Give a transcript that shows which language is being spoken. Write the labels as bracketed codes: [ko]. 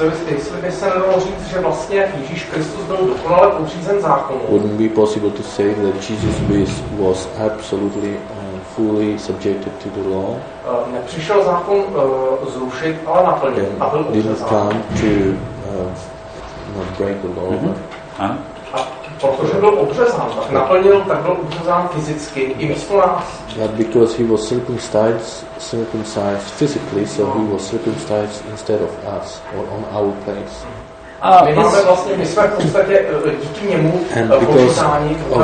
[cs] Jestli by se nedalo říct, že vlastně Ježíš Kristus byl dokonale podřízen zákonu. [en] Wouldn't be possible to say that Jesus was absolutely fully subjected to the law. [cs] Nepřišel zákon zrušit, ale naplnit. A byl podřízen zákonu. [en] Didn't come to not break the law. Mm-hmm. [cs] Protože byl obřezán, tak naplnil, tak byl obřezán fyzicky i místo nás. [en] But because he was circumcised physically, so he was circumcised instead of us or on our place. [cs] My jsme v podstatě díky němu počítání.